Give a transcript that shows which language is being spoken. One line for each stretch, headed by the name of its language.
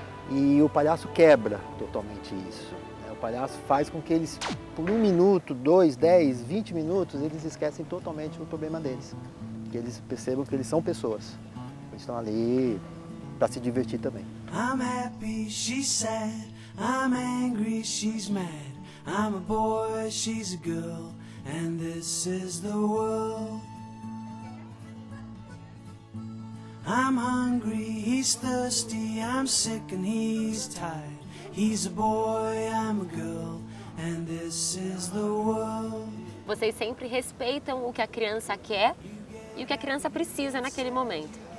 Portuguese: E o palhaço quebra totalmente isso. Né? O palhaço faz com que eles, por 1 minuto, 2, 10, 20 minutos, eles esquecem totalmente o problema deles. Que eles percebam que eles são pessoas. Eles estão ali para se divertir também.
English: I'm happy, she's sad. I'm angry, she's mad. I'm a boy, she's a girl, and this is the world. I'm hungry, he's thirsty, I'm sick and he's tired. He's a boy, I'm a girl, and this is the world.
Portuguese: Vocês sempre respeitam o que a criança quer e o que a criança precisa naquele momento.